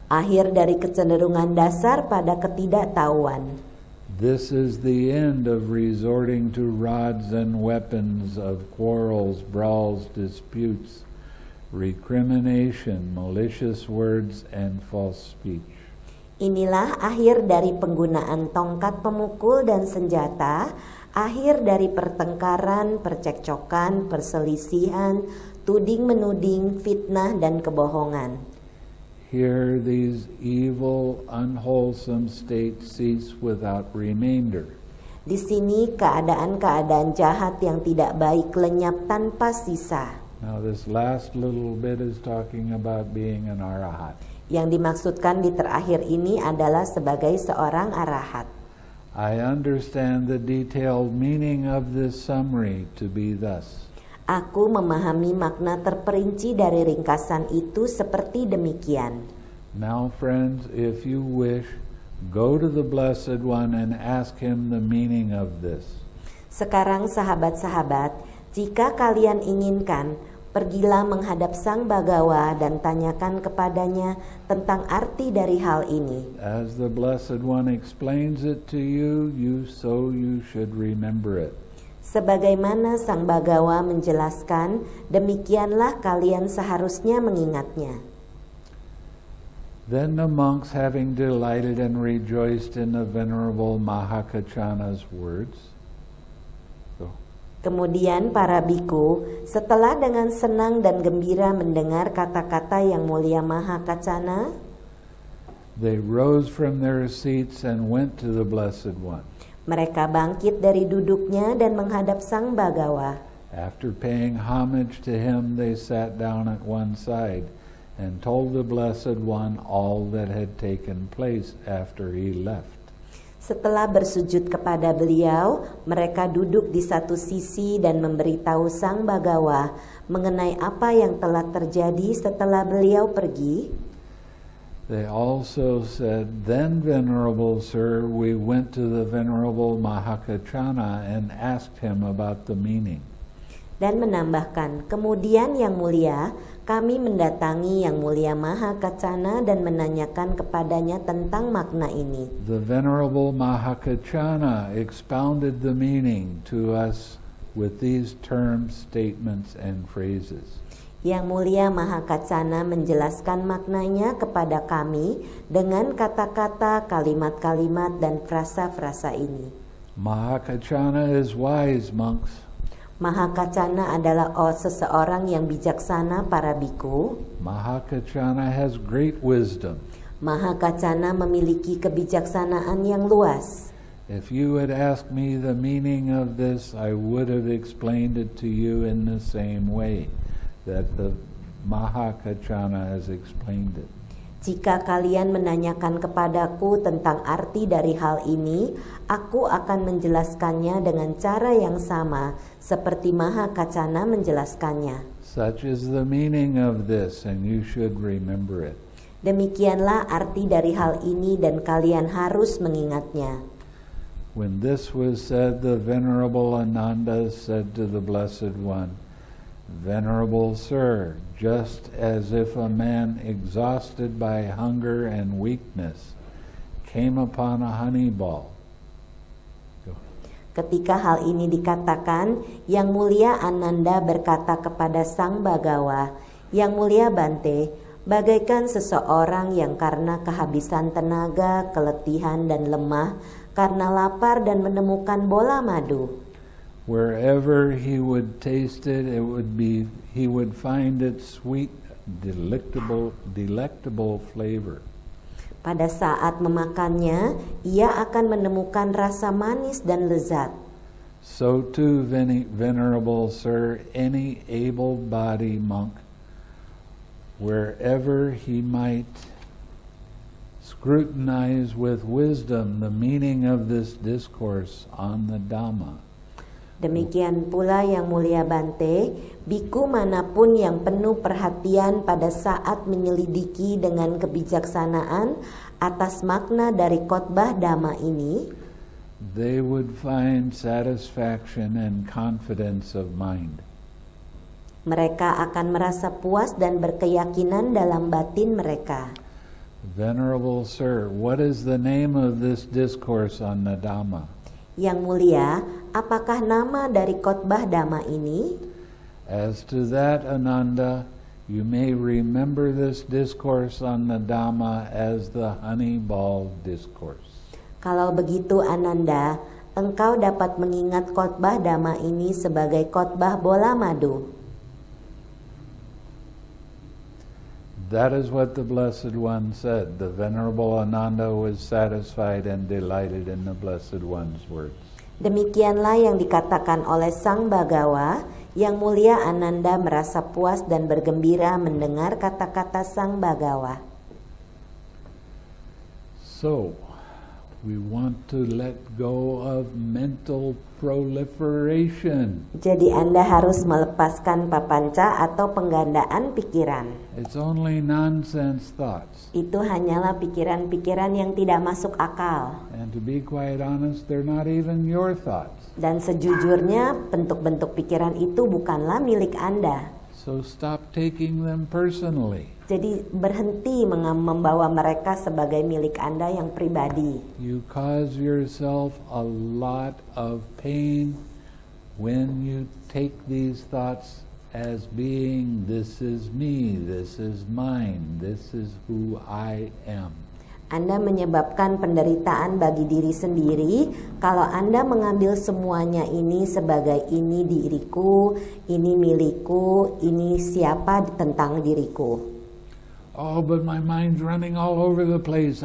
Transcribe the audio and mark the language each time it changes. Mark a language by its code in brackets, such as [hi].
[id] Akhir dari kecenderungan dasar pada ketidaktahuan. [en] This is the end of resorting to rods and weapons of quarrels, brawls, disputes, recrimination, malicious words, and false speech. [id] Inilah akhir dari penggunaan tongkat pemukul dan senjata, akhir dari pertengkaran, percekcokan, perselisihan, tuding-menuding, fitnah, dan kebohongan. [en] Here these evil, unwholesome states cease without remainder. [id] Di sini keadaan-keadaan jahat yang tidak baik lenyap tanpa sisa. [en] Now this last little bit is talking about being an arahat. [id] Yang dimaksudkan di terakhir ini adalah sebagai seorang arahat. [en] I understand the detailed meaning of this summary to be thus. [id] Aku memahami makna terperinci dari ringkasan itu seperti demikian. [en] Now friends, if you wish, go to the Blessed One and ask him the meaning of this. [id] Sekarang sahabat-sahabat, jika kalian inginkan, pergilah menghadap Sang Bhagawa dan tanyakan kepadanya tentang arti dari hal ini. [en] As the Blessed One explains it to you, you should remember it. [id] Sebagaimana Sang Bhagawa menjelaskan, demikianlah kalian seharusnya mengingatnya. [en] Then the monks, having delighted and rejoiced in the venerable Mahakacana's words. [id] Kemudian para bhikkhu, setelah dengan senang dan gembira mendengar kata-kata yang mulia Mahakacana, [en] they rose from their seats and went to the Blessed One. [id] Mereka bangkit dari duduknya dan menghadap Sang Bhagawa. [en] After paying homage to him, they sat down at one side and told the Blessed One all that had taken place after he left. [id] Setelah bersujud kepada beliau, mereka duduk di satu sisi dan memberitahu Sang Bhagawa mengenai apa yang telah terjadi setelah beliau pergi. [en] They also said, "Then, venerable sir, we went to the venerable Mahakacana and asked him about the meaning." [id] Dan menambahkan, "Kemudian yang mulia, kami mendatangi yang mulia Mahakacana dan menanyakan kepadanya tentang makna ini." [en] The venerable Mahakacana expounded the meaning to us with these terms, statements, and phrases. [id] Yang mulia Mahakacana menjelaskan maknanya kepada kami dengan kata-kata, kalimat-kalimat, dan frasa-frasa ini. [en] Mahakacana is wise, monks. [id] Mahakacana adalah seseorang yang bijaksana, para bhikkhu. [en] Mahakacana has great wisdom. [id] Mahakacana memiliki kebijaksanaan yang luas. [en] If you had asked me the meaning of this, I would have explained it to you in the same way that the Mahakacana has explained it. [id] Jika kalian menanyakan kepadaku tentang arti dari hal ini, aku akan menjelaskannya dengan cara yang sama seperti Mahakacana menjelaskannya. [en] Such is the meaning of this, and you should remember it. [id] Demikianlah arti dari hal ini dan kalian harus mengingatnya. [en] When this was said, the venerable Ananda said to the Blessed One, "Venerable sir, just as if a man exhausted by hunger and weakness came upon a honey ball." [id] Ketika hal ini dikatakan, Yang Mulia Ananda berkata kepada Sang Bhagawa, "Yang Mulia Bante, bagaikan seseorang yang karena kehabisan tenaga, keletihan dan lemah, karena lapar dan menemukan bola madu." [en] Wherever he would taste it, he would find it sweet, delectable flavor. [id] Pada saat memakannya, ia akan menemukan rasa manis dan lezat. [en] So too, venerable sir, any able-bodied monk, wherever he might scrutinize with wisdom the meaning of this discourse on the Dhamma. [id] Demikian pula Yang Mulia Bante, bhikkhu manapun yang penuh perhatian pada saat menyelidiki dengan kebijaksanaan atas makna dari khotbah Dhamma ini, [en] they would find satisfaction and confidence of mind. [id] Mereka akan merasa puas dan berkeyakinan dalam batin mereka. [en] Venerable Sir, what is the name of this discourse on the Dhamma? [id] Yang Mulia, apakah nama dari khotbah Dhamma ini? [en] As to that, Ananda, you may remember this discourse on the Dhamma as the Honeyball Discourse. [id] Kalau begitu, Ananda, engkau dapat mengingat khotbah Dhamma ini sebagai khotbah bola madu. [en] That is what the Blessed One said. The Venerable Ananda was satisfied and delighted in the Blessed One's words. [id] Demikianlah yang dikatakan oleh Sang Bhagawa, Yang Mulia Ananda merasa puas dan bergembira mendengar kata-kata Sang Bhagawa. [en] So, we want to let go of mental proliferation. [id] Jadi Anda harus melepaskan papanca atau penggandaan pikiran. [en] It's only nonsense thoughts. [id] Itu hanyalah pikiran-pikiran yang tidak masuk akal. [en] And to be quite honest, they're not even your thoughts. [id] Dan sejujurnya, bentuk-bentuk pikiran itu bukanlah milik Anda. [en] So stop taking them personally. [id] Jadi berhenti membawa mereka sebagai milik Anda yang pribadi. [en] You cause yourself a lot of pain when you take these thoughts as being this is me, this is mine, this is who I am. [id] Anda menyebabkan penderitaan bagi diri sendiri kalau Anda mengambil semuanya ini sebagai ini diriku, ini milikku, ini siapa tentang diriku. [en] Oh, but my mind's running all over the place.